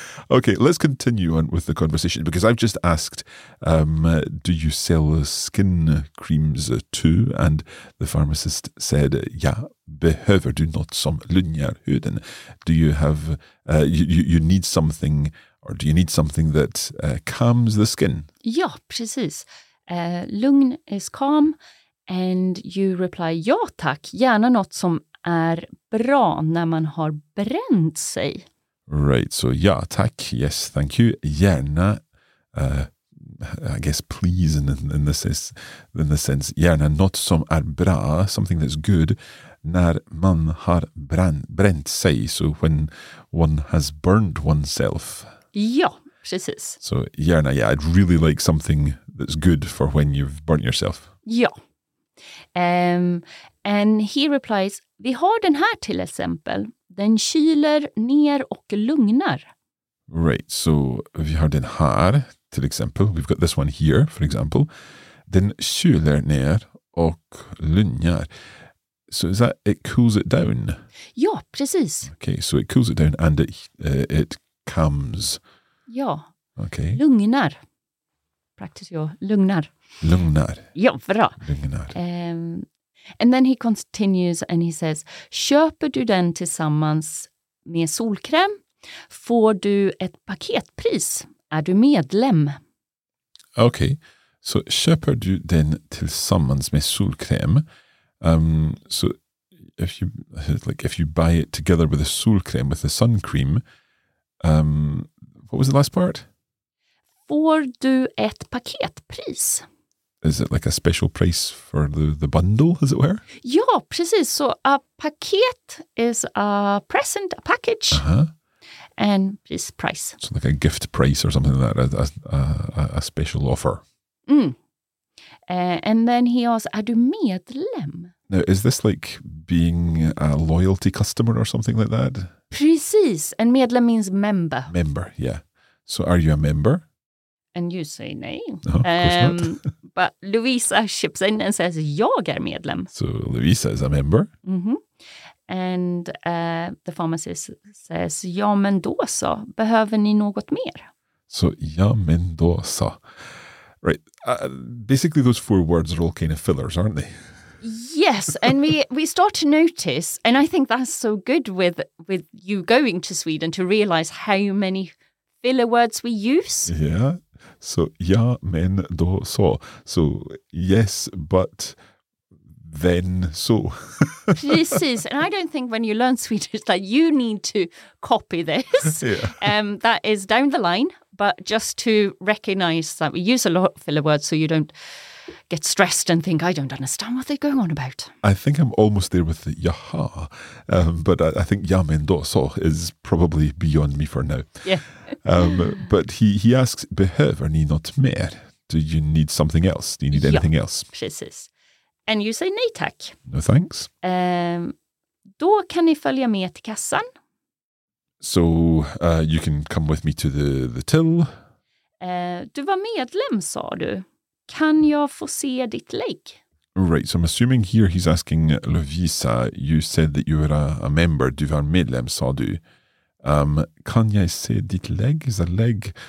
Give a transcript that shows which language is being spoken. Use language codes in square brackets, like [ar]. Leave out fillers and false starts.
[en] Okay, let's continue on with the conversation, because I've just asked, do you sell skin creams too? And the pharmacist said, [sv] ja, behöver du not som lunjarhuden? [en] Do you have, you need something, or do you need something that calms the skin? [sv] Ja, precis. [en] Lugn is calm, and you reply, [sv] ja tack, gärna något som är bra när man har bränt sig. [en] Right, so [sv] ja tack, [en] yes, thank you, gärna, I guess please in the sense, [sv] gärna något som är bra, [en] something that's good, [sv] när man har bränt sig, [en] so when one has burned oneself. [sv] Ja, precis. [en] So gärna, yeah, I'd really like something that's good for when you've burnt yourself. [sv] Ja. [en] And he replies, [sv] vi har den här till exempel. Den kyler ner och lugnar. [en] Right, so vi har den här till exempel. We've got this one here, for example. [sv] Den kyler ner och lugnar. [en] So is that, it cools it down? [sv] Ja, precis. [en] Okay, so it cools it down and it calms. [sv] Ja. [en] Okay. Lugnar. Practice your lugnar. [sv] Lugnar. Ja, bra. Lugnar. [en] And then he continues and he says, [sv] köper du den tillsammans med solkräm, får du ett paketpris. Är du medlem? Okay. So, köper du den tillsammans med solkräm? [en] So, if you buy it together with a [sv] solkräm, [en] with the sun cream, what was the last part? [sv] Får du ett paketpris? [en] Is it like a special price for the bundle, as it were? [sv] Ja, precis. [en] So a paket is a present, a package, and this price. So like a gift price or something like that, a special offer. Mm. And then he asks, [sv] är du medlem? [en] Now, is this like being a loyalty customer or something like that? Precis. And medlem means member. Member, yeah. So are you a member? And you say nej. No, of course not. But Louisa chips in and says, [sv] jag är medlem. [en] So Louisa is a member. Mm-hmm. And the pharmacist says, [sv] ja men då så, behöver ni något mer? So ja men då så. [en] Right. Basically those four words are all kind of fillers, aren't they? Yes, and we start to notice, and I think that's so good with you going to Sweden, to realize how many filler words we use. Yeah. So, [sv] ja, men, då, så. [en] So, yes, but, then, so. [sv] Precis. [en] And I don't think when you learn Swedish that you need to copy this. Yeah. That is down the line. But just to recognize that we use a lot of filler words so you don't get stressed and think, I don't understand what they're going on about. I think I'm almost there with the jaha. But I think [sv] ja, men, då, så [en] is probably beyond me for now. Yeah. But he asks, [sv] behöver ni något mer? [en] Do you need something else? Do you need anything else? Precis. And you say [sv] nej tack. [en] No thanks. [sv] Då kan ni följa med till kassan. [en] So you can come with me to the till. [sv] Du var medlem, sa du. Kan jag få se ditt lägg? [en] Right, so I'm assuming here he's asking Lovisa, you said that you were a member. [sv] Du var medlem, sa du. Kan jag se ditt lägg? [en] Is a leg?